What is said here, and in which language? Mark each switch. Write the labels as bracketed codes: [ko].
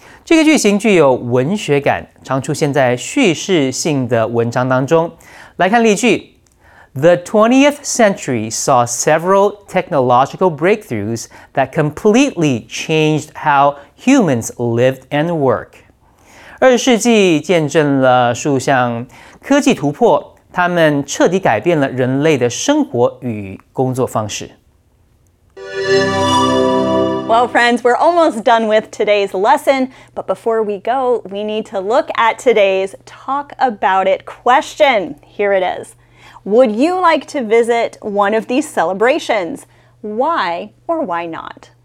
[zh] 这个句型具有文学感，常出现在叙事性的文章当中。来看例句。 [en] The 20th century saw several technological breakthroughs that completely changed how humans lived and work. [zh] 二十世纪见证了数项科技突破，它们彻底改变了人类的生活与工作方式。 [en] Well, friends, we're almost done with today's lesson, but before we go, we need to look at today's talk about it question. Here it is. Would you like to visit one of these celebrations? Why or why not?